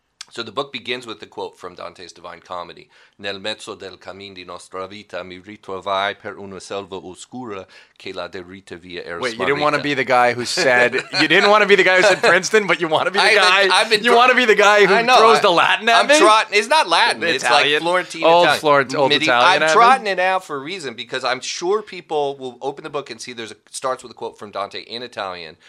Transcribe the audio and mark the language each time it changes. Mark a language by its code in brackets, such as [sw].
[en] So the book begins with the quote from Dante's Divine Comedy. [it] Nel mezzo del cammin di nostra vita mi ritrovai per una selva oscura che la derrita via era. [en] Wait, you didn't want to be the guy who said you didn't want to be the guy who said Princeton, but you want to be the guy. You want to be the guy who throws the Latin at me. I'm trotting. It's not Latin. It's Italian. Like Florentine. Old Italian. I'm trotting it out for a reason because I'm sure people will open the book and see there's a starts with a quote from Dante in Italian.